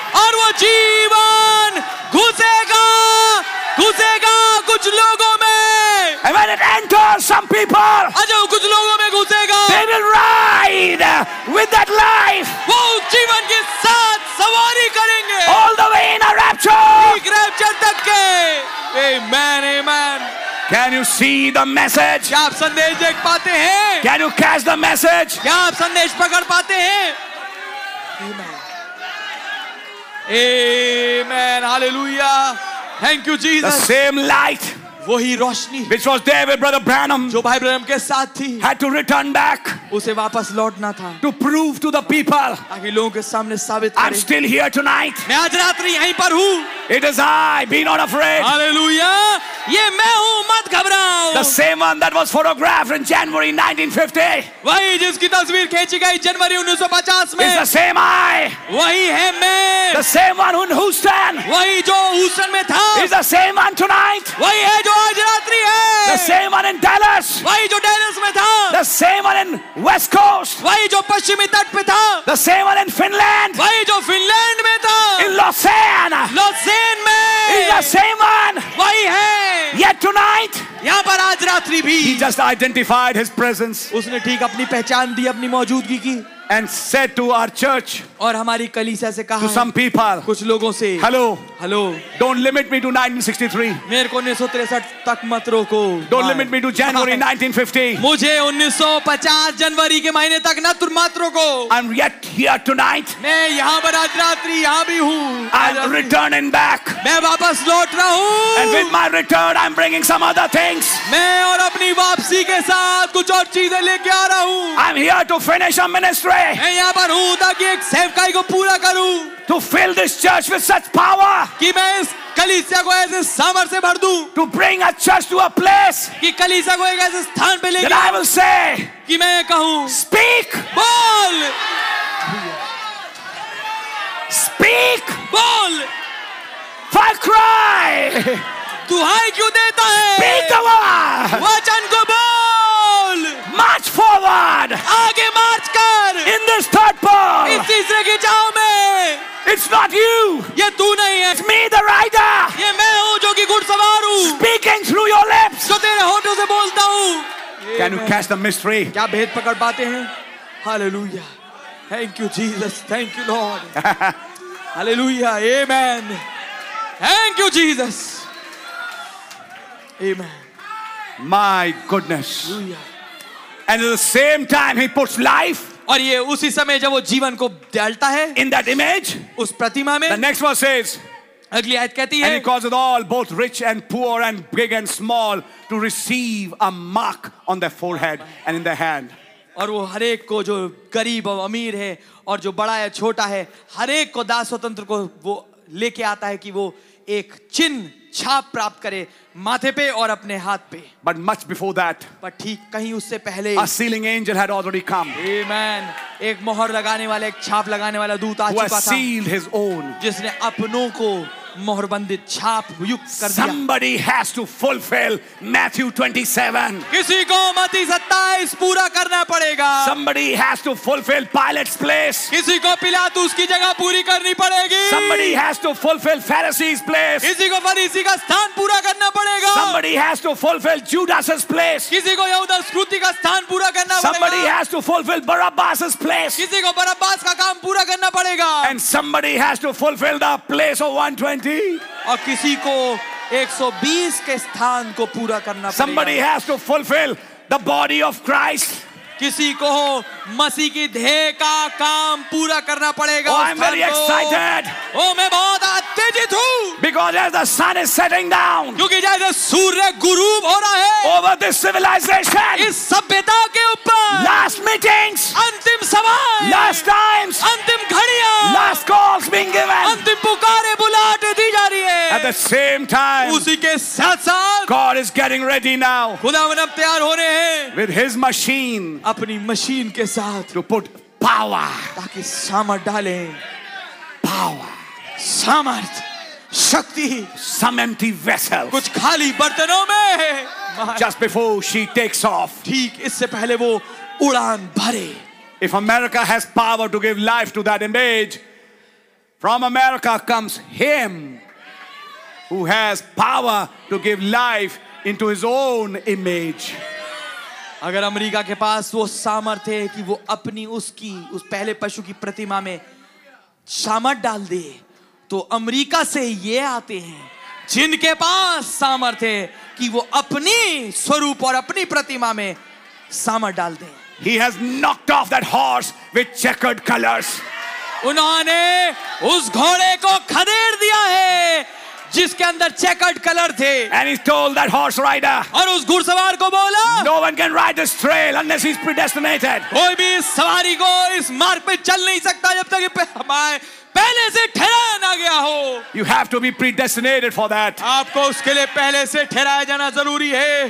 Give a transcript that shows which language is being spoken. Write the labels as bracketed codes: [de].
[hi] और वो जीवन घुसेगा कुछ लोगों में. [en] And when it enters some people, [hi] Ajay कुछ लोगों में घुसेगा. [en] They will ride with that life. [hi] वो जीवन के साथ सवारी करेंगे. [en] All the way in a rapture. [hi] एक रैप्चर तक के. [en] Amen, amen. Can you see the message? [hi] क्या आप संदेश देख पाते हैं? [en] Can you catch the message? [hi] क्या आप संदेश पकड़ पाते हैं? [en] Amen. Hallelujah. Thank you, Jesus. The same light, [hi] वही रोशनी, [en] which was there with Brother Branham, [hi] जो भाई ब्रैनम के साथ थी, [en] had to return back, [hi] उसे वापस लौटना था, [en] to prove to the people, [hi] ताकि लोगों के सामने साबित करें, [en] I'm still here tonight. [hi] मैं आज रात्रि यहीं पर हूँ. [en] It is I. Be not afraid. [hi] Hallelujah. ये मैं हूँ मत घबराओ. [en] The same one that was photographed in January 1950. [hi] वही जिसकी तस्वीर खींची गई जनवरी 1950 में. [en] It's the same I. [hi] वही है मैं. [en] The same one in Houston. [hi] वही जो हूस्टन में था. [en] It's the same one tonight. [hi] वही है जो आज रात्रि है. [en] The same one in Dallas. [hi] वही जो डेलस में था. [en] The same one in West Coast. [hi] वही जो पश्चिमी तट पे था. [en] The same one in Finland. [hi] वही जो फिनलैंड में था. [en] In Lausanne. [hi] लॉसेन में. [en] It's the same one. [hi] वही है. [en] Yet tonight, [hi] यहाँ पर आज रात्रि भी, [en] he just identified his presence. [hi] उसने ठीक अपनी पहचान दी अपनी मौजूदगी की. [en] And said to our church, [hi] और हमारी कलीसिया से कहा, [en] to some people, [hi] कुछ लोगों से, [en] hello, hello, don't limit me to 1963. [hi] मेरे को 1963 तक मत रोको. [en] Don't limit me to January 1950. [hi] मुझे 1950 जनवरी के महीने तक ना तुम मत रोको. [en] I'm yet here tonight. [hi] मैं यहाँ पर आज रात्रि यहाँ भी हूँ. [en] I'm returning back. [hi] मैं वापस लौट रहा हूँ. [en] And with my return, I'm bringing some other things. [hi] मैं और अपनी वापसी के साथ कुछ और चीजें लेके आ रहा हूँ. [en] I'm here to finish a ministry. [hi] मैं यहाँ पर हूँ ताकि एक सेवकाई को पूरा करूँ. [en] To fill this church with such power. [hi] कि मैं इस कलीसिया को ऐसे सामर्थ्य से भर दूँ. [en] To bring a church to a place. [hi] कि कलीसिया को एक ऐसे स्थान पे ले जाऊँ. [en] That I will say. [hi] कि मैं ये कहूँ. [en] Speak. [hi] बोल. [en] Speak. [hi] बोल. [en] For cry. [hi] तू हाय क्यों देता है? [en] Speak the word. [hi] वचन को बोल. [en] March forward. [hi] आगे मार्च कर. [en] In this third part. [hi] इस तीसरे की चाव में. [en] It's not you. [hi] ये तू नहीं है. [en] It's me, the rider. [hi] ये मैं हूँ जो कि घुड़सवार हूँ. [en] Speaking through your lips. [hi] जो तेरे होठों से बोलता हूँ. [en] Can you catch the mystery? [hi] क्या भेद पकड़ पाते हैं? [en] Hallelujah. Thank you, Jesus. Thank you, Lord. Hallelujah. Amen. Thank you, Jesus. Amen. My goodness. Hallelujah. And at the same time, he puts life. [hi] और ये उसी समय जब वो जीवन को डालता है. [en] In that image. [hi] उस प्रतिमा में. [en] The next verse says. [hi] अगली आयत कहती है. [en] And he causes all, both rich and poor and big and small, to receive a mark on their forehead and in their hand. [hi] और वो हर एक को जो गरीब और अमीर है और जो बड़ा है छोटा है हर एक को दास स्वतंत्र को वो लेके आता है कि वो एक चिन्ह छाप प्राप्त करे माथे पे और अपने हाथ पे. [en] But much before that, [hi] पर ठीक कहीं उससे पहले, [en] a sealing angel had already come. [hi] Amen. एक मोहर लगाने वाले, एक छाप लगाने वाला दूत आ चुका था. [en] Who sealed his own? [hi] जिसने अपनों को मोहरबंदित छाप युक्त कर दिया. [en] Somebody has to fulfill Matthew 27. [hi] किसी को मत्ती 27 पूरा करना पड़ेगा. [en] Somebody has to fulfill Pilate's place. [hi] किसी को पिलातुस की जगह पूरी करनी पड़ेगी. [en] Somebody has to fulfill Pharisee's place. [hi] किसी को फरीसी का स्थान पूरा करना पड़ेगा. [en] Somebody has to fulfill Judas's place. [hi] किसी को यहूदा स्क्रूति का स्थान पूरा करना पड़ेगा. [en] Somebody has to fulfill Barabbas's place. [hi] किसी को बराबास का काम पूरा करना पड़ेगा. [en] And somebody has to fulfill the place of 120. [hi] और किसी को 120 के स्थान को पूरा करना पड़ेगा. [en] Somebody has to fulfill the body of Christ. [hi] किसी को मसीह की देह का काम पूरा करना पड़ेगा. [en] Oh, I'm very excited. [hi] Oh, मैं बहुत आतंकित हूँ. [en] Because as the sun is setting down. [hi] क्योंकि जैसे सूर्य गुरुब हो रहा है. [en] Over this civilization. [hi] इस सभ्यता के ऊपर. [en] Last meetings. [hi] अंतिम सभाएं. [en] Last times. [hi] अंतिम घड़ियां. [en] Last calls being given. [hi] अंतिम पुकारे बुलाहट दी जा रही है. [en] At the same time. [hi] उसी के साथ साथ. [en] God is getting ready now. [hi] खुदावन अब तैयार हो रहे हैं. [en] With His machine. [hi] अपनी मशीन के साथ. [en] To put power. [hi] ताकि सामर्थ डाले. [en] Power. [hi] सामर्थ. शक्ति. [en] Some empty vessels. [hi] कुछ खाली बर्तनों में. [en] Just before she takes off. [hi] ठीक इससे पहले वो उड़ान भरे. [en] If America has power to give life to that image, from America comes him who has power to give life into his own image. [hi] अगर अमेरिका के पास वो सामर्थ्य है कि वो अपनी उसकी उस पहले पशु की प्रतिमा में सामर्थ डाल दे तो अमेरिका से ये आते हैं जिनके पास सामर्थ्य है कि वो अपनी स्वरूप और अपनी प्रतिमा में सामर्थ डाल दे. [en] He has knocked off that horse with checkered colors. [hi] उन्होंने उस घोड़े को खदेड़ दिया है जिसके अंदर चेकर्ड कलर थे. [en] And he told that horse rider, [hi] और उस घुड़सवार को बोला, [en] No one can ride this trail unless he's predestinated. [hi] कोई भी इस सवारी को इस मार्ग पे चल नहीं सकता जब तक पहले से ठहराया गया हो. [en] You have to be predestinated for that. [hi] आपको उसके लिए पहले से ठहराया जाना जरूरी है.